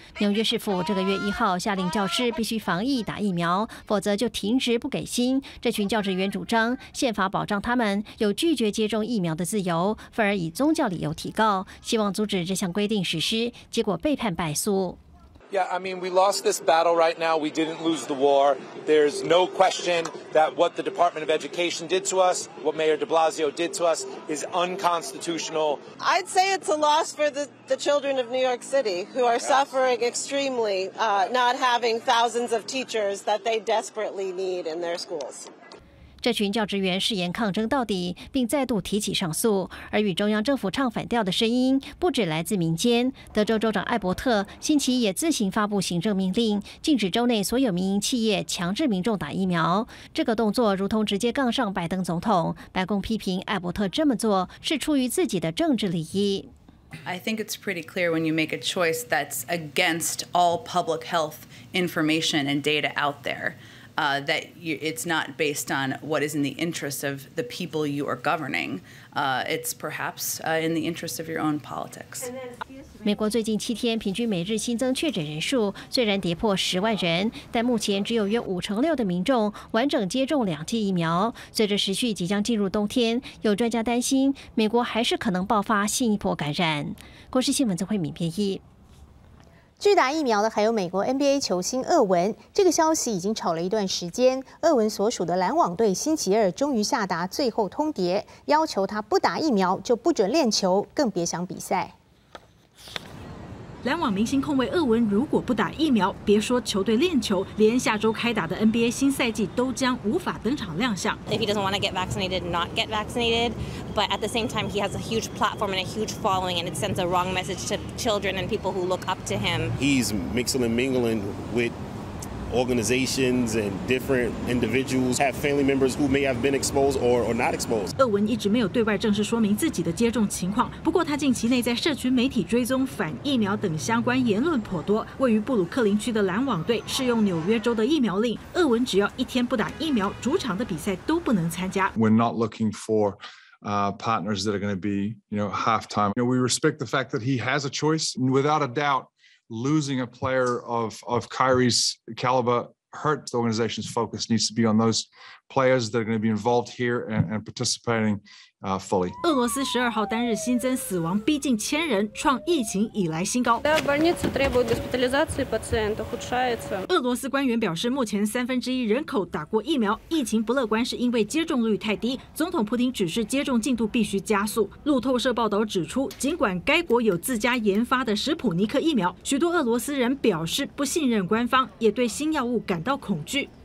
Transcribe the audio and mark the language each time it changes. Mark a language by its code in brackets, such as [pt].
[zh] 纽约市府这个月一号下令教师必须防疫打疫苗，否则就停职不给薪。这群教职员主张宪法保障他们有拒绝接种疫苗的自由，反而以宗教理由提告，希望阻止这项规定实施，结果被判败诉。 [en] Yeah, I mean, we lost this battle right now. We didn't lose the war. There's no question that what the Department of Education did to us, what Mayor de Blasio did to us, is unconstitutional. I'd say it's a loss for the children of New York City who are suffering extremely, not having thousands of teachers that they desperately need in their schools. [zh] 这群教职员誓言抗争到底，并再度提起上诉，而与中央政府唱反调的声音不止来自民间。德州州长艾伯特星期也自行发布行政命令，禁止州内所有民营企业强制民众打疫苗。这个动作如同直接杠上拜登总统，白宫批评艾伯特这么做是出于自己的政治利益。 [en] I think it's pretty clear when you make a choice that's against all public health information and data out there. That it's not based on what is in the interest of the people you are governing. It's perhaps in the interest of your own politics. [zh] 美国最近七天平均每日新增确诊人数虽然跌破10万人，但目前只有约56%的民众完整接种两剂疫苗。随着时序即将进入冬天，有专家担心美国还是可能爆发新一波感染。国视新闻曾慧敏编译。拒打疫苗的还有美国 NBA 球星厄文，这个消息已经吵了一段时间。厄文所属的篮网队星期二终于下达最后通牒，要求他不打疫苗就不准练球，更别想比赛。篮网明星控卫厄文如果不打疫苗，别说球队练球，连下周开打的 NBA 新赛季都将无法登场亮相。 [en] If he doesn't want to get vaccinated, not get vaccinated, but at the same time, he has a huge platform and a huge following, and it sends a wrong message to children and people who look up to him. He's mixing and mingling with organizations and different individuals, have family members who may have been exposed or not exposed. [zh] 厄文一直没有对外正式说明自己的接种情况，不过他近期内在社群媒体追踪反疫苗等相关言论颇多。位于布鲁克林区的篮网队适用纽约州的疫苗令，厄文只要一天不打疫苗，主场的比赛都不能参加。 [en] We're not looking for partners that are going to be, you know, halftime. You know, we respect the fact that he has a choice, without a doubt. Losing a player of Kyrie's caliber hurts the organization's focus. Needs to be on those players that are going to be involved here and participating fully. [zh] 俄罗斯十二号单日新增死亡逼近千人，创疫情以来新高。俄罗斯官员表示，目前三分之一人口打过疫苗，疫情不乐观是因为接种率太低。总统普丁指示接种进度必须加速。路透社报道指出，尽管该国有自家研发的史普尼克疫苗，许多俄罗斯人表示不信任官方，也对新药物感到恐惧。